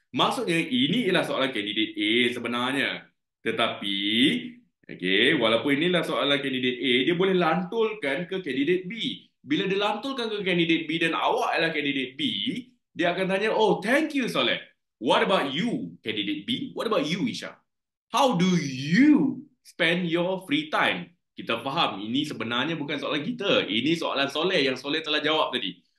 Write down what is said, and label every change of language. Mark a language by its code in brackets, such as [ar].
[ms] Maksudnya, ini ialah soalan kandidat A sebenarnya. Tetapi, okay, walaupun inilah soalan kandidat A, dia boleh lantulkan ke kandidat B. Bila dia lantulkan ke kandidat B dan awak ialah kandidat B, dia akan tanya, [en] oh, thank you, [ms] Soleh. [en] What about you, kandidat B? What about you, Isha? How do you spend your free time? [ms] Kita faham, ini sebenarnya bukan soalan kita. Ini soalan Soleh yang Soleh telah jawab tadi.